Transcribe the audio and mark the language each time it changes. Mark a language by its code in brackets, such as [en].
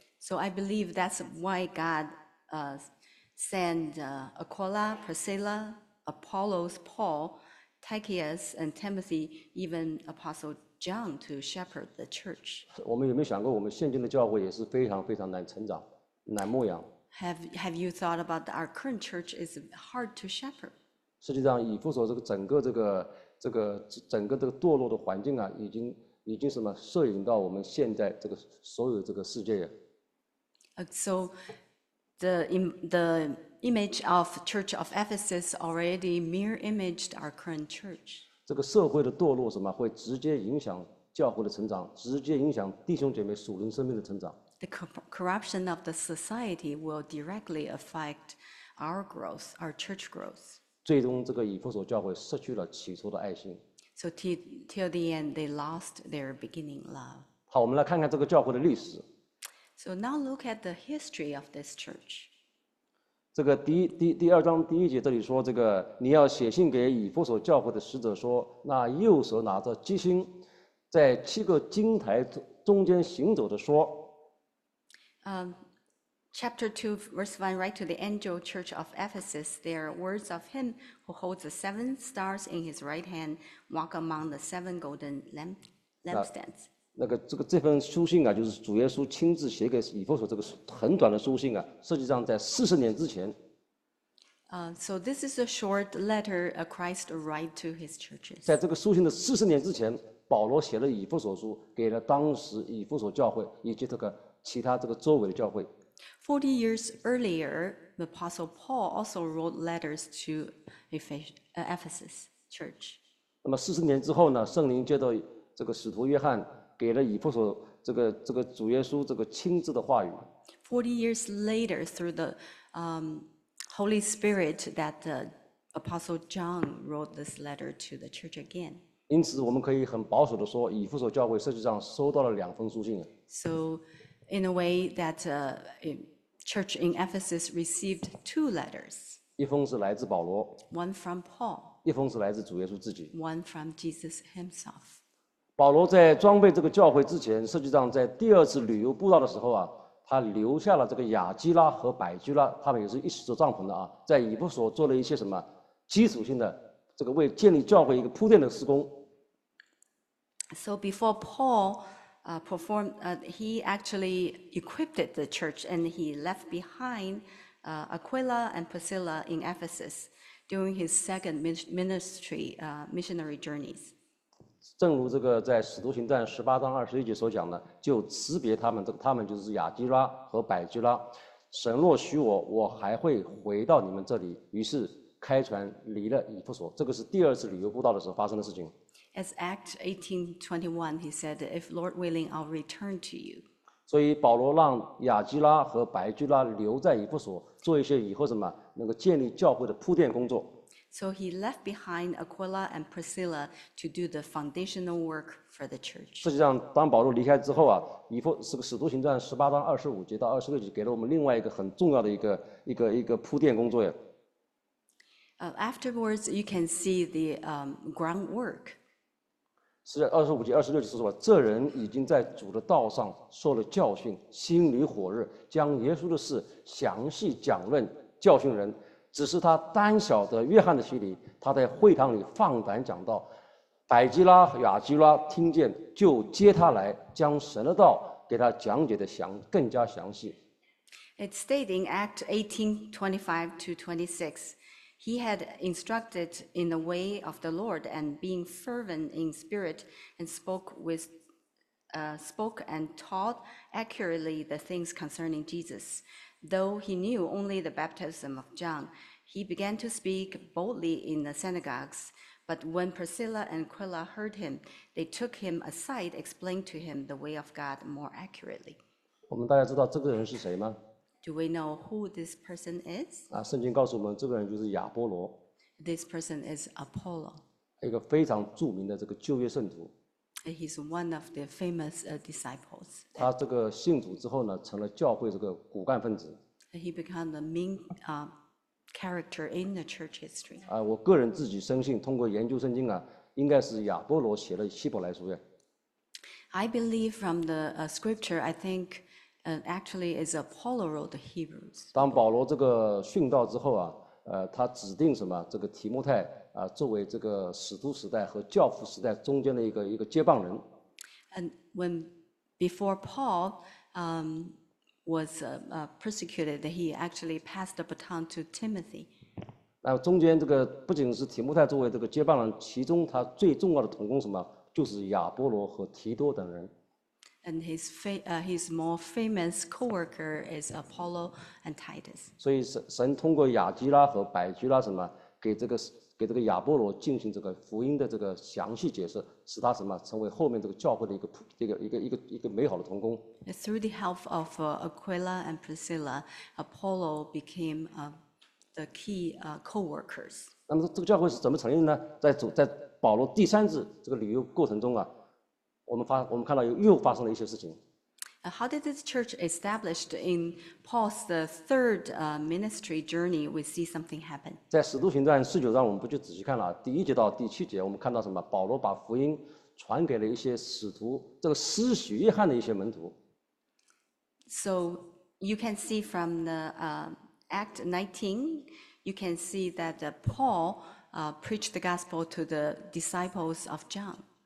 [en] So I believe that's why God sent Aquila, Priscilla, Apollos, Paul, Tychius, and Timothy, even Apostle John to shepherd the church. [zh] 我们有没有想过，我们现今的教会也是非常非常难成长，难牧养？ [en] Have you thought about our current church is hard to shepherd? [zh] 实际上，以弗所这个整个这个堕落的环境啊，已经什么摄影到我们现在这个所有这个世界呀。 [en] So the image of Church of Ephesus already mirror imaged our current church. [zh] 这个社会的堕落什么会直接影响教会的成长，直接影响弟兄姐妹属灵生命的成长。 [en] The corruption of the society will directly affect our growth, our church growth. [zh] 最终，这个以弗所教会失去了起初的爱心。 [en] So till the end, they lost their beginning love. [zh] 好，我们来看看这个教会的历史。 [en] So now look at the history of this church. [zh] 这个第二章第一节这里说，这个你要写信给以弗所教会的使者说，那右手拿着七星，在七个金台中间行走的说。 [en] Chapter 2, verse 1, write to the angel church of Ephesus, there are words of him who holds the seven stars in his right hand, walk among the seven golden lampstands. [zh] 这份书信啊，就是主耶稣亲自写给以弗所这个很短的书信啊，实际上在40年之前。 [en] So this is a short letter Christ wrote to his churches. [zh] 在这个书信的40年之前，保罗写了以弗所书，给了当时以弗所教会以及这个其他这个周围的教会。 [en] 40 years earlier, the Apostle Paul also wrote letters to Ephesus church. [zh] 那么40年之后呢，圣灵接到这个使徒约翰给了以弗所这个主耶稣这个亲自的话语。 [en] 40 years later, through the Holy Spirit, that the Apostle John wrote this letter to the church again. [zh] 因此我们可以很保守地说，以弗所教会实际上收到了两封书信。 [en] So,in a way that a church in Ephesus received two letters. [zh] 一封是来自保罗。 [en] One from Paul. [zh] 一封是来自主耶稣自己。 [en] One from Jesus himself. [zh] 保罗在装备这个教会之前，实际上在第二次旅游布道的时候啊，他留下了这个亚基拉和百居拉，他们也是一起做帐篷的啊，在以弗所做了一些什么基础性的这个为建立教会一个铺垫的施工。 [en] So before Paul,he actually equipped the church, and he left behind Aquila and Priscilla in Ephesus during his second ministry missionary journeys. [zh] 正如这个在《使徒行传》十八章二十一节所讲的，就辞别他们，这个他们就是亚基拉和百基拉。神若许我，我还会回到你们这里。于是开船离了以弗所。这个是第二次旅游布道的时候发生的事情。 [en] As Acts 18:21, he said, "If Lord willing, I'll return to you." [zh] 所以保罗让亚基拉和白居拉留在以弗所，做一些以后什么能够建立教会的铺垫工作。 [en] So he left behind Aquila and Priscilla to do the foundational work for the church. [zh] 实际上，当保罗离开之后啊，以弗是个《使徒行传》十八章二十五节到二十六节，给了我们另外一个很重要的一个铺垫工作呀。 [en] Afterwards, you can see the groundwork. [zh] 是二十五节、二十六节说，这人已经在主的道上受了教训，心里火热，将耶稣的事详细讲论教训人。只是他单晓得约翰的洗礼，他在会堂里放胆讲道，百基拉、亚基拉听见就接他来，将神的道给他讲解的更加详细。 [en] It's stating Act 18:25-26. He had instructed in the way of the Lord and being fervent in spirit and spoke and taught accurately the things concerning Jesus. Though he knew only the baptism of John, he began to speak boldly in the synagogues. But when Priscilla and Aquila heard him, they took him aside, explained to him the way of God more accurately. [zh] 我们大家知道这个人是谁吗？ [en] Do we know who this person is? [zh] 圣经告诉我们，这个人就是亚波罗。 [en] This person is Apollo. [zh] 一个非常著名的这个旧约圣徒。 [en] He's one of the famous disciples. [zh] 他这个信主之后呢，成了教会这个骨干分子。 [en] He became the main character in the church history. [zh] 我个人自己深信，通过研究圣经啊，应该是亚波罗写了希伯来书呀。 [en] I believe from the scripture, I think. And actually, as Apollo wrote Hebrews. [zh] 当保罗这个殉道之后啊，他指定什么？这个提摩太啊，作为这个使徒时代和教父时代中间的一个接棒人。 [en] And when before Paul, was persecuted, he actually passed the baton to Timothy. [zh] 那中间这个不仅是提摩太作为这个接棒人，其中他最重要的同工什么？就是亚波罗和提多等人。 [en] And his more famous co-worker is Apollo and Titus. [zh] 所以神通过亚基拉和百基拉什么，给这个亚波罗进行这个福音的这个详细解释，使他什么成为后面这个教会的一个美好的同工。 [en] Through the help of Aquila and Priscilla, Apollo became the key co-workers. [zh] 那么这个教会是怎么成立呢？在保罗第三次这个旅游过程中啊。我们看到又发生了一些事情。 [en] How did this church established in Paul's third ministry journey? We see something happen. [zh] 在使徒行传十九章，我们不去仔细看了。第一节到第七节，我们看到什么？保罗把福音传给了一些使徒，这个施洗约翰的一些门徒。 [en] So you can see from the Act 19, you can see that Paul preached the gospel to the disciples of John.